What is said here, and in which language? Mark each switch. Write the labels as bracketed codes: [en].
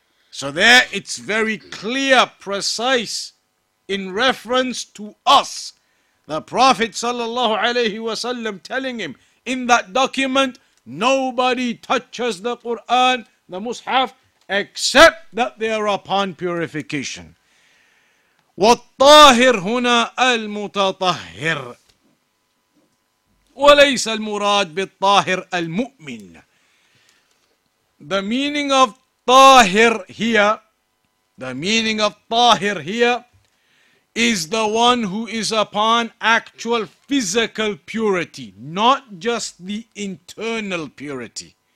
[en] So there it's very clear, precise, in reference to us. The Prophet sallallahu alayhi wasallam telling him, in that document, nobody touches the Qur'an, the Mus'haf, except that they are upon purification. [ar] وَالطَّاهِرْ هُنَا الْمُتَطَهِّرْ وليس المراد بالطاهر المؤمن. [en] The meaning of طاهر here, the meaning of طاهر here, is the one who is upon actual physical purity, not just the internal purity.